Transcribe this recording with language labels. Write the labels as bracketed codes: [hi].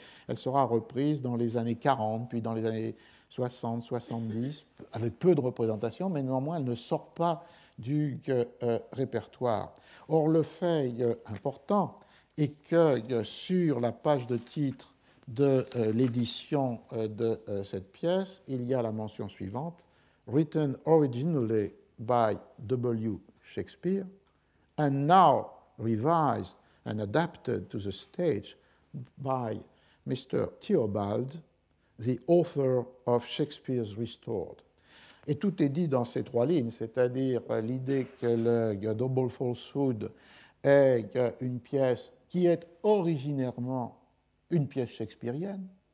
[fr] Elle sera reprise dans les années 40, puis dans les années 60, 70, avec peu de représentations, mais néanmoins, elle ne sort pas du répertoire. Or, le fait important est que sur la page de titre de l'édition de cette pièce, il y a la mention suivante, « [en] Written originally by W. Shakespeare and now revised and adapted to the stage by Mr. Theobald, the author of Shakespeare's Restored. [fr] » Et tout est dit dans ces trois lignes, c'est-à-dire l'idée que le Double Falsehood est une pièce qui est originairement une pièce shakespearienne.